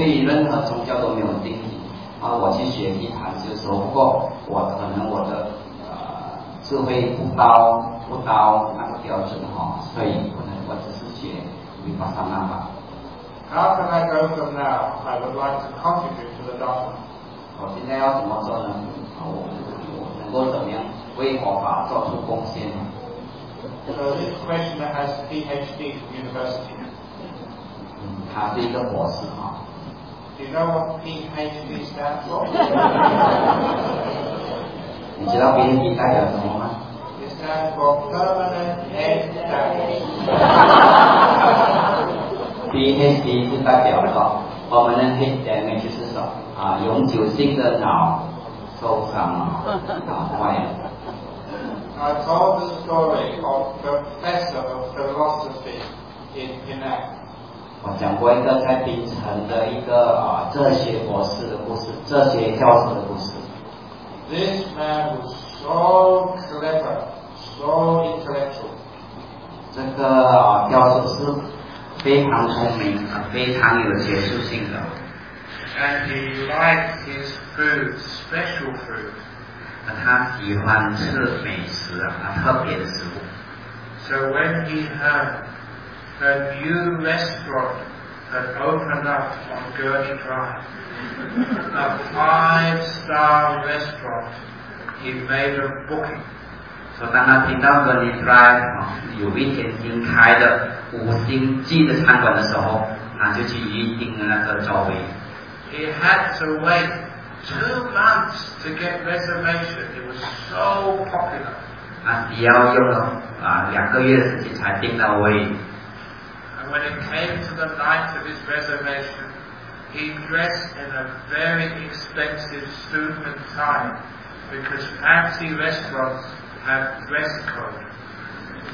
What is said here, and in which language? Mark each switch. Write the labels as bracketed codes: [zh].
[zh] 对任何宗教都没有定义，然后我去学吉他就说，不过我可能我的智慧不到那个标准哈，所以可能我只是学维巴萨那吧。 [en] How can I go from now? I would like to contribute to the Dharma. [zh] 我现在要怎么做呢？我能够怎么样为佛法做出贡献呢？ [en] So this questioner has a PhD from university. [zh] 他是一个博士哈。 [en] Do you know what PhD stands for? [zh] 你知道 PhD 代表什么吗？ [en] It stands for Permanent Head Studies. [zh] PhD 是代表说 [en] permanent head damage [zh] 就是说永久性的脑受伤了，脑坏了。 [en] I told the story of professor of philosophy in Penang. [zh] 我讲过一个在槟城的一个哲学博士的故事，哲学教授的故事。 [en] This man was so clever, so intellectual. [zh] 这个教授是非常聪明，非常有学术性的。 [en] And he liked his food, special food. [zh] 他喜欢吃美食，特别的食物。 [en] So when he heard a new restaurant had opened up on Gurney Drive, a five-star restaurant, he made a booking. [zh] 所以当他听到 Gurney Drive 有一间新开的五星级的餐馆的时候，他就去预定了那个座位。 [en] He had to wait 2 months to get reservation. It was so popular. [zh] 他只要用了两个月的时间才订到位。 [en] And when it came to the night of his reservation, he dressed in a very expensive suit and tie because fancy restaurants have dress code.